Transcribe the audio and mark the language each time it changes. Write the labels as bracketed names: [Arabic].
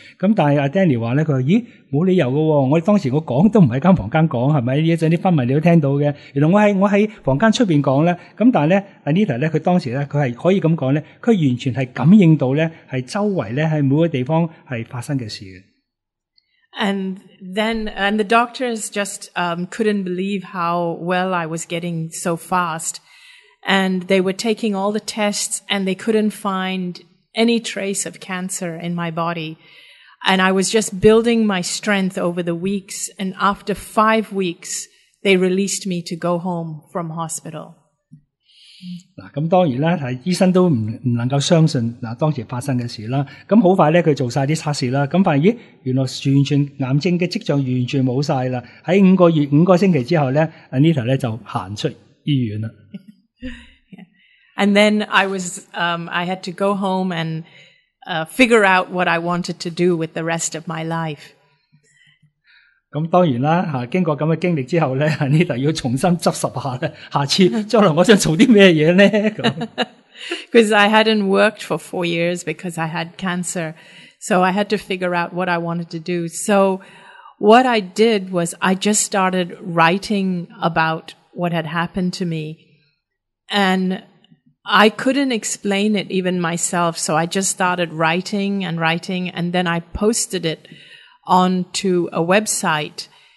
[Cantonese] 咁但系阿 Danny 话咧，佢话咦冇理由噶、哦，我当时我讲都唔喺间房间讲，系咪？一阵啲昏迷你都听到嘅。原来我喺房间出边讲咧。咁但系咧 ，Anita 咧，佢当时咧，佢系可以咁讲咧，佢完全系感应到咧，系周围咧喺每个地方系发生嘅事。 [English] And the doctors just couldn't believe how well I was getting so fast. And they were taking all the tests and they couldn't find any trace of cancer in my body. And I was just building my strength over the weeks. And after 5 weeks, they released me to go home from hospital. [Cantonese] 嗱，咁當然啦，係醫生都唔能夠相信嗱當時發生嘅事啦。咁好快咧，佢做曬啲測試啦，咁發現咦，原來完全癌症嘅跡象完全冇曬啦。喺5个星期之後咧 ，Anita 咧就行出醫院啦。 [English] And then I was, I had to go home and figure out what I wanted to do with the rest of my life. [Cantonese] 咁當然啦，嚇經過咁嘅經歷之後咧 ，Anita 要重新執拾下咧，下次將來我想做啲咩嘢咧？ [English] Because I hadn't worked for 4 years because I had cancer, so I had to figure out what I wanted to do. So what I did was I just started writing about what had happened to me, and. I couldn't explain it even myself, so I just started writing, and then I posted it onto a website.